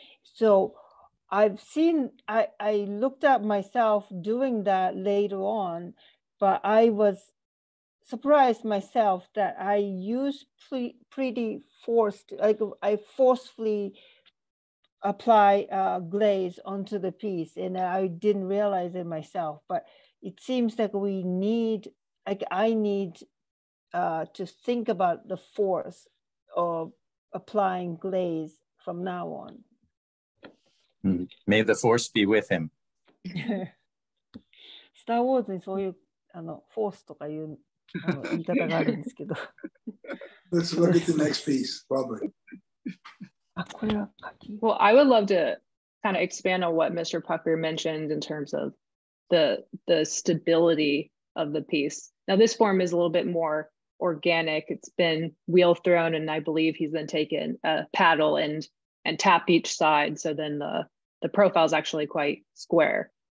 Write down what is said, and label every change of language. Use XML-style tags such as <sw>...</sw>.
<en>So,I looked at myself doing that later on, but I was surprised myself that I used pretty forced, like I forcefully apply glaze onto the piece, and I didn't realize it myself. But it seems like we need, like I need to think about the force of applying glaze from now on. May the force be with him.</en> <ja>スターウォーズにそういうあのフォースとかいうあの言い方があるんですけど。</ja> <en>Let's look at the next piece, probably.</en> <ja>あ、これは書き。</ja> <en>Well, I would love to kind of expand on what Mr. Pucker mentioned in terms of the stability of the piece. Now, this form is a little bit more organic. It's been wheel thrown, and I believe he's then taken a paddle and tap each side, so then the profile is actually quite square.</en>